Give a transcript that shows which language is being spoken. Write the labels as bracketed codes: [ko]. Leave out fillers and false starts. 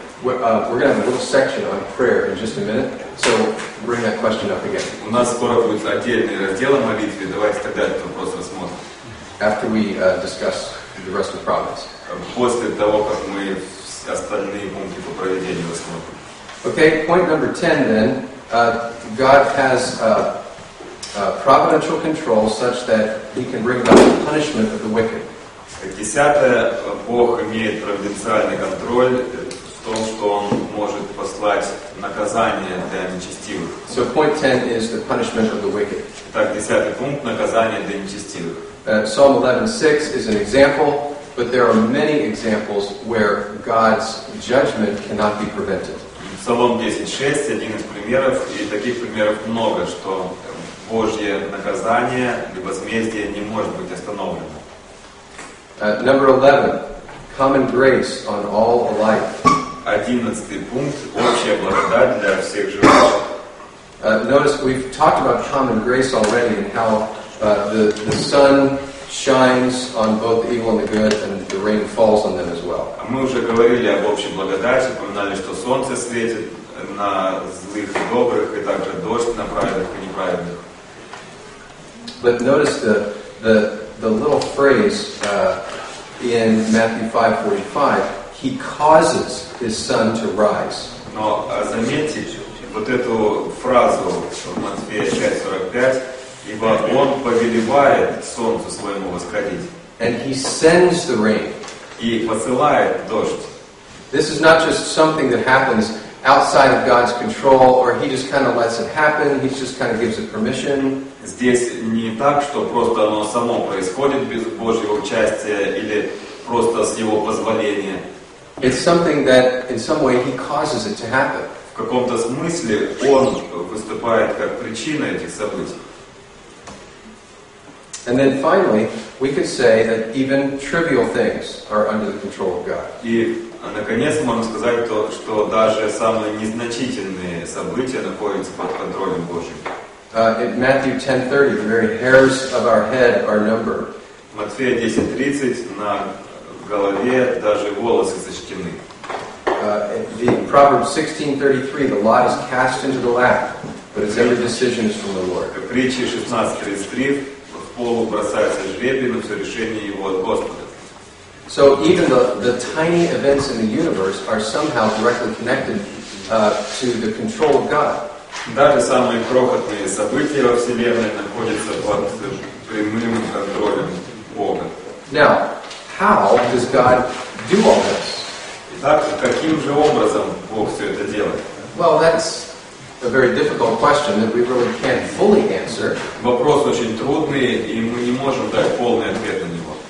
[en] We're going to have a little section on prayer in just a minute, so bring that question up again. [ru] У нас скоро будет отдельный раздел о молитве. Давайте тогда этот вопрос рассмотрим. [en] After we discuss the rest of the problems. [ru] После того, как мы остальные пункты по проведению рассмотрим. [en] Okay, point number 10 then. God has providential control such that he can bring about the punishment of the wicked. [ru] Десятое, Бог имеет провиденциальный контроль в том, что он может послать наказание для нечестивых. [en] So point 10 is the punishment of the wicked. [ru] Так, десятый пункт, наказание для нечестивых. [en] Psalm 11:6 is an example, but there are many examples where God's judgment cannot be prevented. [ru] Псалом 10.6 один из примеров, и таких примеров много, что Божье наказание или возмездие не может быть остановлено. [en] Number 11. Common grace on all alike. [ru] 11 пункт. Общая благодать для всех живых. [en] Notice we've talked about common grace already and how the sun shines on both the evil and the good, and the rain falls on them as well. [ru] Мы уже говорили об общей благодати, упоминали, что солнце светит на злых и добрых, и также дождь на праведных и неправедных. [en] But notice the little phrase in Matthew 5:45, He causes His Son to rise. [ru] Но заметьте вот эту фразу в Матфея 5:45. Ибо Он повелевает солнцу своему восходить. [en] And He sends the rain. [ru] И посылает дождь. [en] This is not just something that happens outside of God's control, or He just kind of lets it happen, He just kind of gives it permission. [ru] Здесь не так, что просто оно само происходит без Божьего участия или просто с Его позволения. [en] It's something that in some way He causes it to happen. [ru] В каком-то смысле Он выступает как причина этих событий. [en] And then finally, we could say that even trivial things are under the control of God. [ru] И наконец мы можем сказать то, что даже самые незначительные события находятся под контролем Божьим. [en] In Matthew 10:30, the very hairs of our head are numbered. [ru] Матфея 10:30, на голове даже волосы сочтены. [en] The Proverbs 16:33, the lot is cast into the lap, but its every decision is from the Lord. [ru] Притчи 16:33. Полу бросается жребий, но все решение его от Господа. [en] So even the tiny events in the universe are somehow directly connected to the control of God. [ru] Даже самые крохотные события во Вселенной находятся под прямым контролем Бога. [en] Now, how does God do all this? [ru] Итак, каким же образом Бог все это делает? [en] Well, that's a very difficult question that we really can't fully answer. [ru] Вопрос очень трудный, и мы не можем дать полный ответ на него.